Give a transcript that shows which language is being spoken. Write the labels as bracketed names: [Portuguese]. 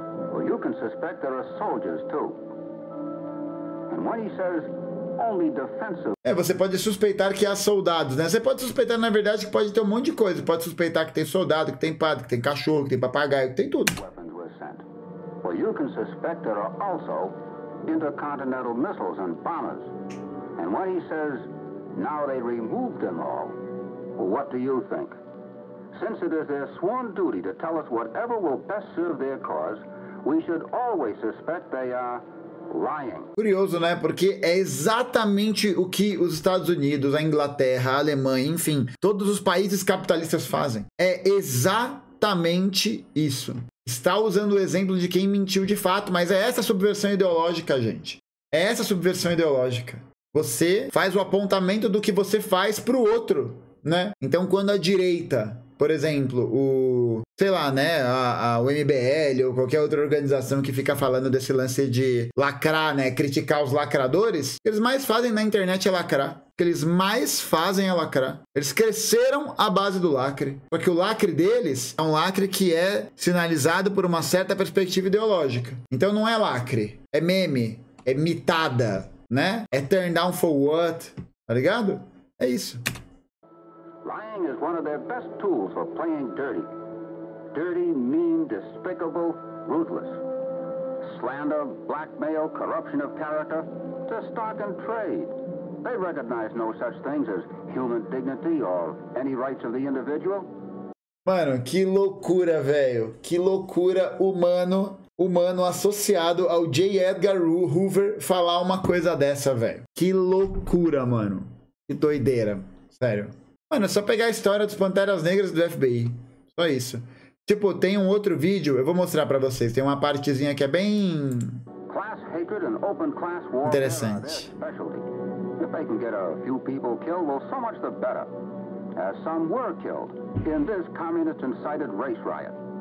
[English] Well, you can suspect there are soldiers too. And when he says only defensive. [Portuguese] É, você pode suspeitar que há soldados, né? Você pode suspeitar, na verdade, que pode ter um monte de coisa. Pode suspeitar que tem soldado, que tem padre, que tem cachorro, que tem papagaio, que tem tudo. [English] Weapons were sent. Well, you can suspect there are also intercontinental missiles and bombers. And when he says now they removed them all, well, what do you think? Since it is their sworn duty to tell us whatever will best serve their cause, we should always suspect they are lying. [Portuguese] Curioso, né? Porque é exatamente o que os Estados Unidos, a Inglaterra, a Alemanha, enfim, todos os países capitalistas fazem. É exatamente isso. Está usando o exemplo de quem mentiu de fato, mas é essa subversão ideológica, gente. É essa subversão ideológica. Você faz o apontamento do que você faz para o outro, né? Então, quando a direita. Por exemplo, sei lá, né, o MBL ou qualquer outra organização que fica falando desse lance de lacrar, né, criticar os lacradores, o que eles mais fazem na internet é lacrar. O que eles mais fazem é lacrar. Eles cresceram à base do lacre. Porque o lacre deles é um lacre que é sinalizado por uma certa perspectiva ideológica. Então não é lacre, é meme, é mitada, né? É turn down for what, tá ligado? É isso. [English] Lying is one of their best tools for playing dirty. Dirty, mean, despicable, ruthless. Slander, blackmail, corruption of character, to stock and trade. They recognize no such things as human dignity or any rights of the individual. [Portuguese] Mano, que loucura, velho. Que loucura humano associado ao J. Edgar Hoover falar uma coisa dessa, velho. Que loucura, mano. Que doideira. Sério. Mano, é só pegar a história dos Panteras Negras do FBI. Só isso. Tipo, tem um outro vídeo, eu vou mostrar pra vocês. Tem uma partezinha que é bem [English] Class hatred and open class warfare are their [Portuguese] interessante. [English] specialty. If they can get a few people killed, well, so much the better. As some were killed in this communist-incited race riot.